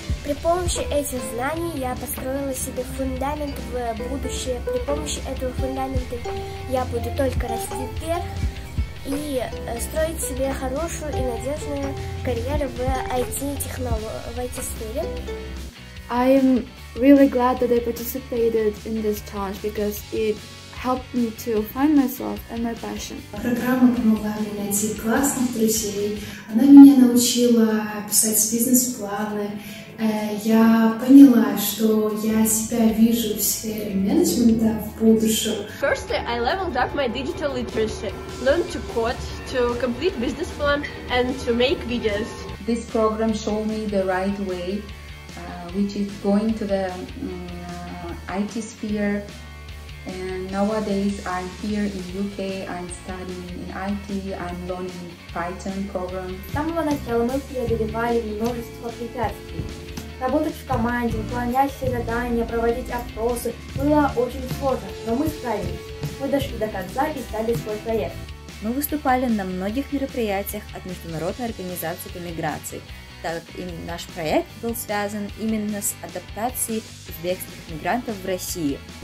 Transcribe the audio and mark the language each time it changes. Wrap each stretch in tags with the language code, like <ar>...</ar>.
<ru>При помощи этих знаний я построила себе фундамент в будущее. При помощи этого фундамента я буду только расти вверх и строить себе хорошую и надежную карьеру в IT-сфере.</ru> <en>I'm really glad that I participated in this challenge because it helped me to find myself and my passion.</en> <ru>Программа помогла мне найти классных друзей. Она меня научила писать бизнес-планы. Я поняла, что я себя вижу в сфере менеджмента в будущем.</ru> <en>Firstly, I leveled up my digital literacy. Learned to code, to complete business plan and to make videos. This program showed me the right way, which is going to the IT sphere. And nowadays I'm here in UK, I'm studying in IT, I'm learning Python program.</en> <ru>С самого начала мы преодолевали множество препятствий. Работать в команде, выполнять все задания, проводить опросы было очень сложно, но мы справились. Мы дошли до конца и сдали свой проект. Мы выступали на многих мероприятиях от Международной организации по миграции, так как наш проект был связан именно с адаптацией узбекских мигрантов в России.</ru>